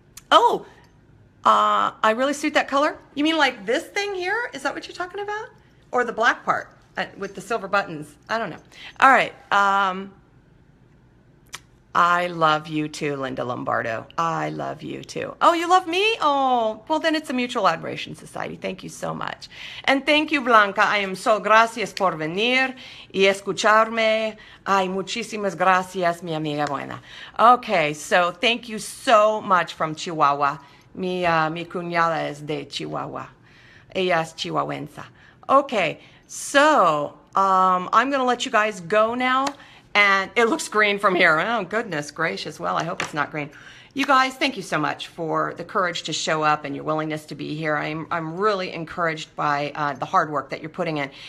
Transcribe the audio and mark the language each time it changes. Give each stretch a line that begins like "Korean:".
English: Oh, I really suit that color. You mean like this thing here? Is that what you're talking about? Or the black part with the silver buttons. I don't know. All right. I love you too, Linda Lombardo. I love you too. Oh, you love me? Oh, well, then it's a mutual admiration society. Thank you so much. And thank you, Blanca. I am so
Spanish: gracias por venir y escucharme. Ay, muchísimas gracias, mi amiga buena.
English: Okay, so thank you so much from Chihuahua.
Spanish: Mi cuñada es de Chihuahua. Ella es chihuahuense.
English: Okay, so I'm going to let you guys go now, and it looks green from here. Oh, goodness gracious. Well, I hope it's not green. You guys, thank you so much for the courage to show up and your willingness to be here. I'm really encouraged by the hard work that you're putting in.